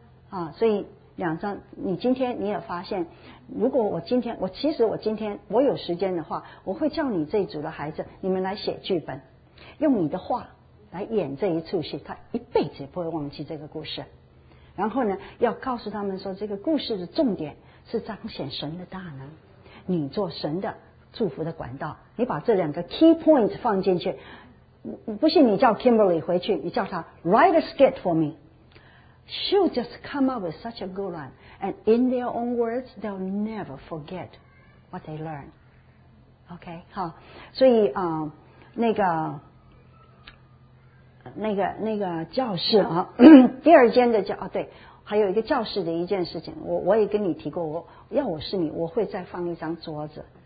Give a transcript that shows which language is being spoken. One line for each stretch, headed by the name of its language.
Chinese: 啊，所以两张，你今天你也发现，如果我今天有时间的话，我会叫你这一组的孩子，你们来写剧本，用你的话来演这一出戏，他一辈子也不会忘记这个故事。然后呢，要告诉他们说，这个故事的重点是彰显神的大能，你做神的祝福的管道，你把这两个 key points 放进去。不信你叫 Kimberly 回去，你叫她
English: write a skit for me. She'll just come up with such a good one, and in their own words, they'll never forget what they learn.
Chinese: OK, 好，所以啊、那个教室啊，第二间的教啊，对，还有一个教室的一件事情，我也跟你提过，我要我是你，我会再放一张桌子。